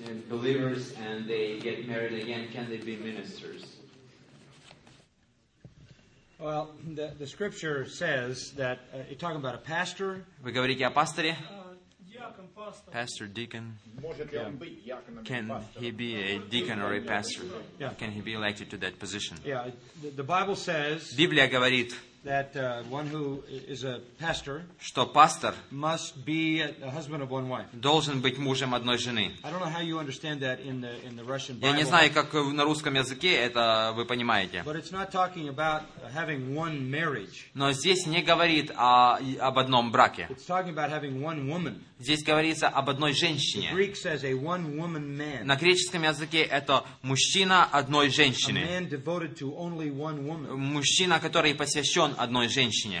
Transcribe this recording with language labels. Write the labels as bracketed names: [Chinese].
[English] Believers and they get married again, can they be ministers? Well, the scripture says that you're talking about a pastor. [Russian] Вы говорите о пасторе? Диакон, пастор. [English] Pastor, deacon. [Russian] Может ли он быть диаконом? [English] Can he be a deacon or a pastor? Yeah. Can he be elected to that position? Yeah, the Bible says. [Russian] Библия говорит. [English] That one who is a pastor, [Russian] что пастор [English] must be a husband of one wife. [Russian] Должен быть мужем одной жены. [English] I don't know how you understand that in the Russian Bible. [Russian] Я не знаю, как на русском языке это вы понимаете. [English] But it's not talking about having one marriage. [Russian] Но здесь не говорит об одном браке. [English] It's talking about having one woman. [Russian] Здесь говорится об одной женщине. [English] The Greek says a one-woman man. [Russian] На греческом языке это мужчина одной женщины. [English] A man devoted to only one woman. [Russian] Мужчина, который посвящен одной женщине.